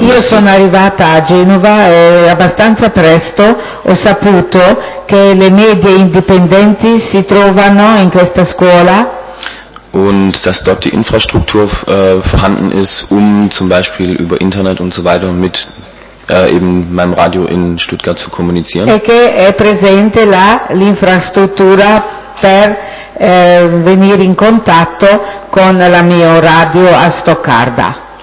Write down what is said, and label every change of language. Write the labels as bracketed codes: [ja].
[it] Io sono arrivata a Genova e abbastanza presto ho saputo che le medie indipendenti si trovano in questa scuola. [de] Und dass dort die Infrastruktur vorhanden ist, um zum Beispiel über Internet und so weiter mit eben meinem Radio in Stuttgart zu kommunizieren. [it] E che è presente là l'infrastruttura per venire in contatto con la mia radio a Stoccarda.